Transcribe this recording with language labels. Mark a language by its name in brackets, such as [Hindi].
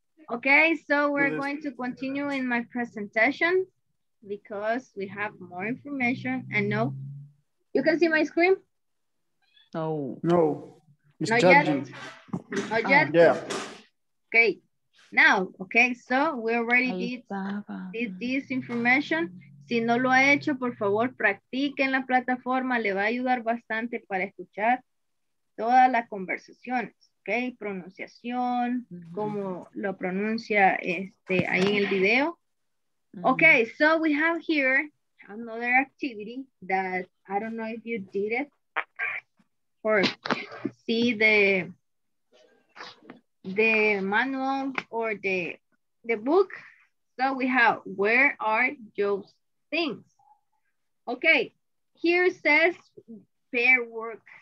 [English] Okay, so we're going to continue in my presentation because we have more information. And no, you can see my screen? No, it's not charging. Not yet? Yeah. Okay, now, okay, so we already did this information. [Spanish] Si no lo ha hecho, por favor, practique en la plataforma. Le va a ayudar bastante para escuchar todas las conversaciones, ok, pronunciación, mm-hmm. cómo lo pronuncia este ahí en el video. Mm-hmm. [English] Ok, so we have here another activity that I don't know if you did it or see the manual or the book. So we have, where are Joe's things? Ok, here says pair work.